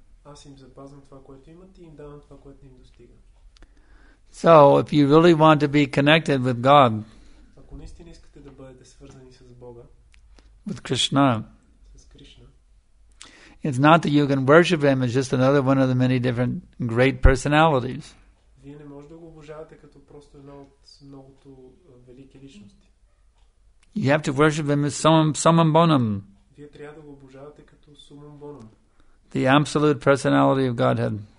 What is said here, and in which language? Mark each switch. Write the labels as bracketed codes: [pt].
[bg] Аз им запазвам това, което имат, и им давам това, което им достига. [en] So, if you really want to be connected with God, [bg] ако наистина искате да бъдете свързани с Бога, [en] with Krishna, [bg] с Кришна, [en] it's not that you can worship Him as just another one of the many different great personalities. [bg] Вие не може да го обожавате като просто една от многото велики личности. [en] You have to worship Him as summum bonum. [bg] Вие трябва да го обожавате като summum bonum. [en] The absolute personality of Godhead.